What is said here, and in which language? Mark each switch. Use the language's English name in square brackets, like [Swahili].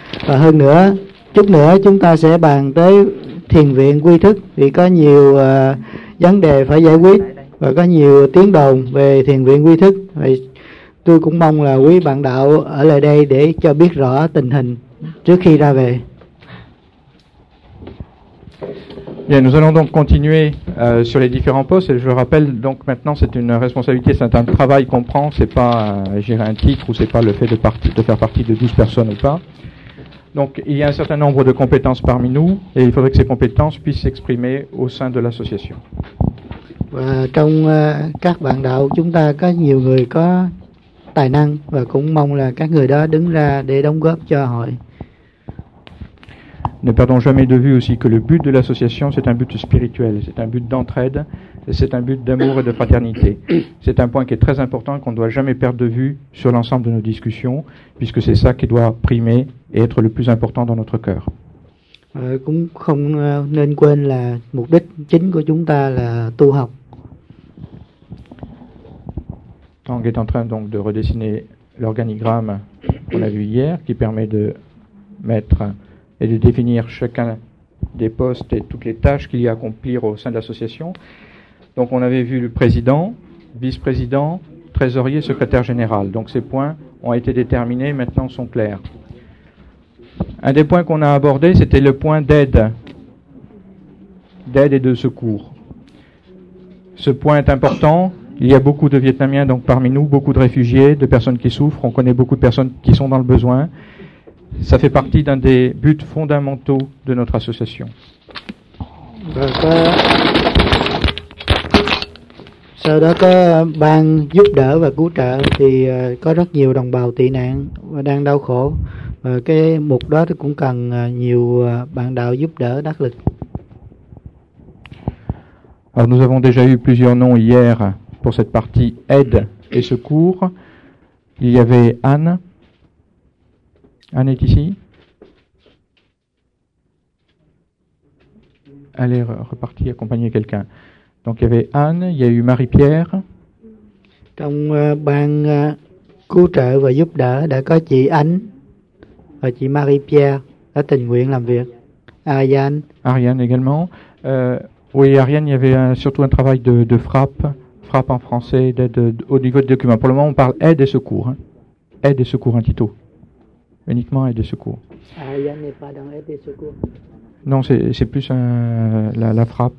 [Vietnamese] Và hơn nữa, chút nữa chúng ta sẽ bàn tới thiền viện quy thức vì có nhiều vấn đề phải giải quyết và có nhiều tiếng đồn về thiền viện quy thức. Vậy tôi cũng mong là quý bạn đạo ở lại đây để cho biết rõ tình hình trước khi ra về. [French] Bien, nous allons donc continuer sur les différents postes. Et je rappelle donc maintenant, c'est une responsabilité, c'est un travail qu'on prend. C'est pas gérer un titre ou c'est pas le fait de faire partie de 12 personnes ou pas. Donc, il y a un certain nombre de compétences parmi nous, et il faudrait que ces compétences puissent s'exprimer au sein de l'association. [Vietnamese] Và trong các bạn đạo chúng ta có nhiều người có tài năng và cũng mong là các người đó đứng ra để đóng góp cho hội. [French] Ne perdons jamais de vue aussi que le but de l'association, c'est un but spirituel, c'est un but d'entraide, c'est un but d'amour et de fraternité. C'est un point qui est très important qu'on ne doit jamais perdre de vue sur l'ensemble de nos discussions, puisque c'est ça qui doit primer et être le plus important dans notre cœur. [Vietnamese] Cũng không nên quên là mục đích chính của chúng ta là tu học. [French] Tang est en train donc de redessiner l'organigramme qu'on a vu hier, qui permet de mettre et de définir chacun des postes et toutes les tâches qu'il y a à accomplir au sein de l'association. Donc on avait vu le président, vice-président, trésorier, secrétaire général. Donc ces points ont été déterminés, maintenant sont clairs. Un des points qu'on a abordé, c'était le point d'aide et de secours. Ce point est important. Il y a beaucoup de Vietnamiens donc parmi nous, beaucoup de réfugiés, de personnes qui souffrent. On connaît beaucoup de personnes qui sont dans le besoin. Ça fait partie d'un des buts fondamentaux de notre association. [Vietnamese] Sau đó có ban giúp đỡ và cứu trợ thì có rất nhiều đồng bào tị nạn và đang đau khổ. Cái mục đó thì cũng cần nhiều bạn đạo giúp đỡ đắc lực. [French] Alors nous avons déjà eu plusieurs noms hier pour cette partie aide et secours. Il y avait Anne. Anne est ici. Elle est repartie accompagner quelqu'un. Donc il y avait Anne, il y a eu Marie-Pierre. [Vietnamese] Trong ban cứu trợ và giúp đỡ đã có chị Anh. Chị Marie-Pierre đã tình nguyện làm việc. [French] Ariane. Ariane également. Oui, Ariane, il y avait surtout un travail de frappe. Frappe en français, d'aide au niveau des documents. Pour le moment, on parle aide et secours. Hein. Aide et secours, un tito. Uniquement aide et secours. Ariane n'est pas dans aide et secours. Non, c'est plus la frappe.